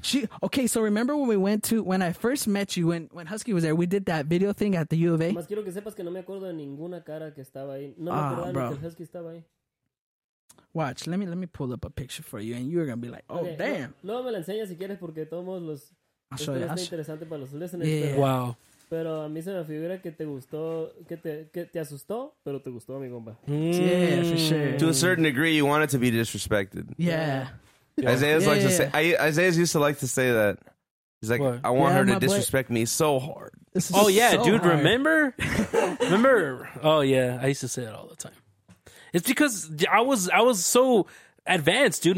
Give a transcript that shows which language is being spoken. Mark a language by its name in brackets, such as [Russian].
[English] She, okay, so remember when we went to... When I first met you, when Husky was there, we did that video thing at the U of A? [Spanish] Más quiero que sepas que no me acuerdo de ninguna cara que estaba ahí. No me acuerdo de que el Husky estaba ahí. [English] Watch, let me pull up a picture for you, and you're going to be like, oh, okay, damn. [Spanish] Luego me la enseña si quieres porque todos los... interesante para los [English] listeners. Yeah. [Spanish] Pero, [English] wow. [Spanish] Pero a mí se me figura que te gustó, que te asustó, pero te gustó, mi compa. [English] Yeah, for sure. To a certain degree, you wanted to be disrespected. Yeah. Isaiah used to like to say that. He's like, what? I want her to disrespect me so hard. Oh, yeah, so dude, hard. Remember? Remember? Oh, yeah, I used to say that all the time. It's because I was so advanced, dude.